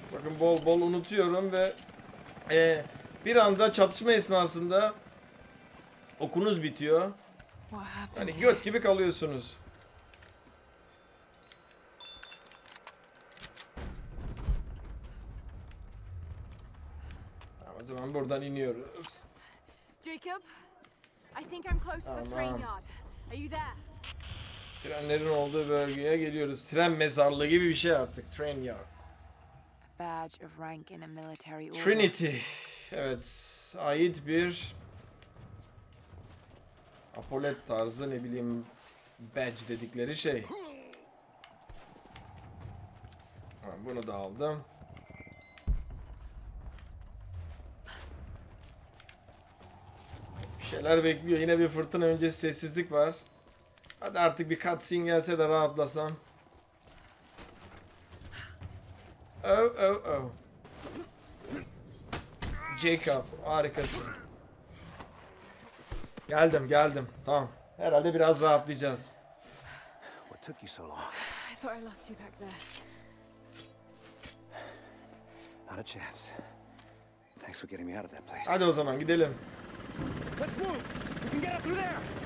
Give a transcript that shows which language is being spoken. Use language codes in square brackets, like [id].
[tr] Bakın bol bol unutuyorum ve bir anda çatışma esnasında okunuz bitiyor. Hani göt gibi kalıyorsunuz. O zaman buradan iniyoruz. [en] Jacob, I think I'm close to the train yard. Are you there? [tr] Trenlerin olduğu bölgeye geliyoruz. Tren mezarlığı gibi bir şey artık. [en] Train yard. A badge of rank in a military order. [tr] Trinity. Evet. Ait bir apolet tarzı, ne bileyim, badge dedikleri şey. Tamam, bunu da aldım. Şeyler bekliyor. Yine bir fırtına öncesi sessizlik var. Hadi artık bir cutscene gelse de rahatlasam. Oh oh oh. Jacob, harikasın. Geldim, geldim. Tamam. Herhalde biraz rahatlayacağız. [en] What took you so long? I thought I lost you back there. Not a chance. Thanks for getting me out of that place. [tr] Hadi o zaman gidelim. [en] Let's move. We can get up through there.